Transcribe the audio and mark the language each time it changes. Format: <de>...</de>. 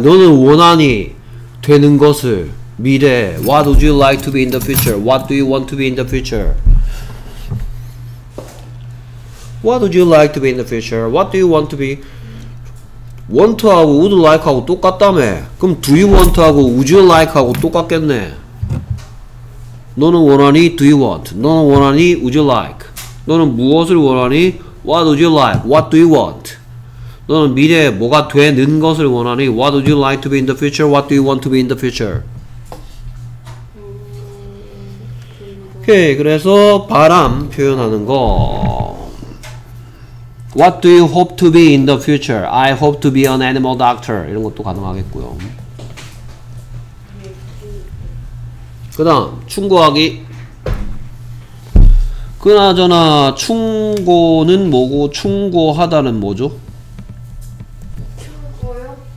<ko>너는 원하니 되는 것을 미래.</ko> <en>What would you like to be in the future? What do you want to be in the future? What would you like to be in the future? What do you want to be? Want 하고 would like 하고 똑같다며.</en> <ko>그럼</ko> <en>do you want</en> <ko>하고</ko> <en>would you like</en> <ko>하고 똑같겠네. 너는 원하니 do you want? 너는 원하니</ko> <en>would you like?</en> <ko>너는 무엇을 원하니</ko> <en>what would you like? What do you want?</en> <ko>너는 미래에 뭐가 되는 것을 원하니</ko> <en>what would you like to be in the future? What do you want to be in the future?</en> <ko>오케이, 그래서 바람 표현하는 거.</ko> <en>What do you hope to be in the future? I hope to be an animal doctor.</en> <ko>이런 것도 가능하겠고요. 그 다음, 충고하기. 그나저나 충고는 뭐고 충고하다는 뭐죠? 충고요?</ko>